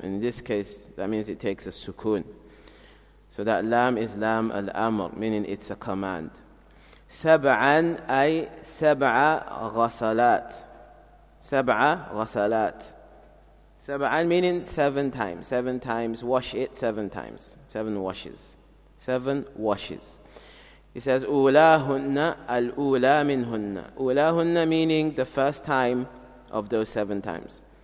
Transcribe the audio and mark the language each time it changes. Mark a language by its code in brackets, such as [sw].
[en] In this case, that means it takes a sukun. So that lam is lam al-amr, meaning it's a command. [ar] Sab'an ay sab'a ghasalat. Sab'a ghasalat. Sab'an [en] meaning seven times. Seven times, wash it seven times. Seven washes. Seven washes. He says, [ar] أُولَاهُنَّ الْأُولَى مِنْهُنَّ. [en] أُولَاهُنَّ meaning the first time of those seven times.